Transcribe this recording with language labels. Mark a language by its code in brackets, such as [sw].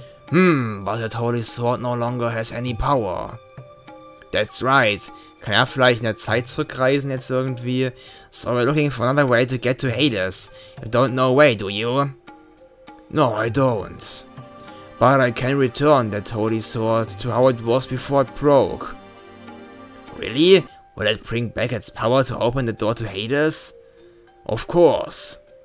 [en] But that holy sword no longer has any power. That's right. [de] Kann er vielleicht in der Zeit zurückreisen jetzt irgendwie? [en] So we're looking for another way to get to Hades. You don't know a way, do you? No, I don't. But I can return that holy sword to how it was before it broke. Really? Will it bring back its power to open the door to Hades? Of course.